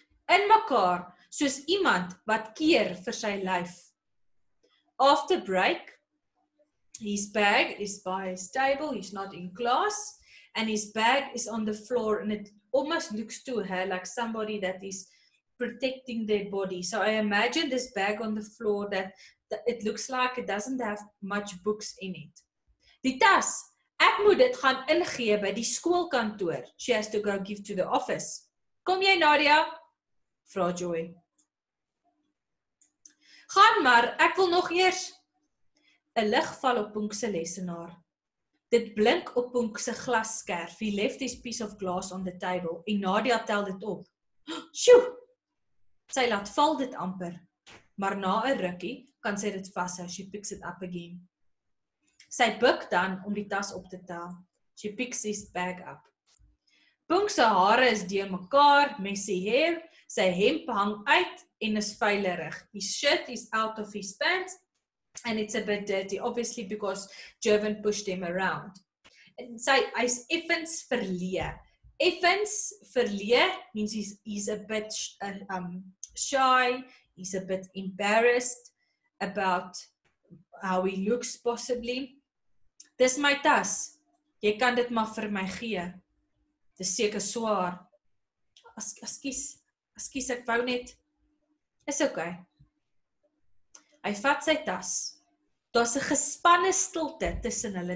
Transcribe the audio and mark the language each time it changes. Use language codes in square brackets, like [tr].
[af] In mekaar, soos iemand wat keer vir sy lyf. [en] After break, his bag is by his table, he's not in class, and his bag is on the floor, and it almost looks to her like somebody that is protecting their body. So I imagine this bag on the floor that it looks like it doesn't have much books in it. [af] Die tas, ek moet dit gaan ingee by die skoolkantoor. [en] She has to go give to the office. [af] Kom jy, Nadia? Vra Joy. Gaan maar, ek wil nog eers. 'N lig val op Punk se lessenaar. Dit blink op Punk se glasskerf. [en] He left his piece of glass on the table. [af] En Nadia tel dit op. Sjoe! Sy laat val dit amper. Maar na 'n rukkie kan sy dit vashou. [en] She picks it up again. [af] Sy buk dan om die tas op te tel. [en] She picks his bag up. [af] Punk se hare is deurmekaar, [en] messy hair. [af] Sy hemp hang uit en is vuilerig. [en] His shirt is out of his pants and it's a bit dirty, obviously because Jervin pushed him around. [af] En sy, hy is effens verleë. [en] Effens verleë means he's a bit shy, he's a bit embarrassed about how he looks possibly. [af] Dis my tas. Jy kan dit maar vir my gee. Dis seker swaar. Askies, ek wou net. Is okay. Hy vat sy tas. Daar's 'n gespanne stilte tussen hulle.